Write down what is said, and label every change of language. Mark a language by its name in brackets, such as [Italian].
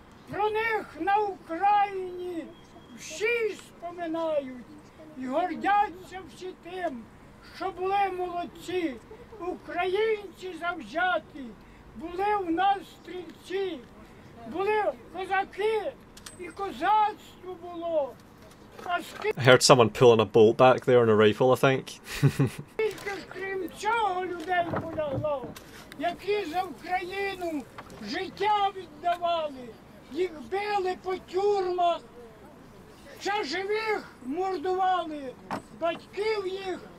[Ukrainian] Про них на Україні всі споминають. І гордяться всі тим, що були молодці, українці завзяті. Були у нас стрільці, були козаки, і козацтво було. [English] I heard someone pulling a bolt back there on a rifle, I think. [Ukrainian] Тільки ж крім цього людей полягло, які за Україну життя віддавали, їх били по тюрмах, ще живих мордували, батьків їх.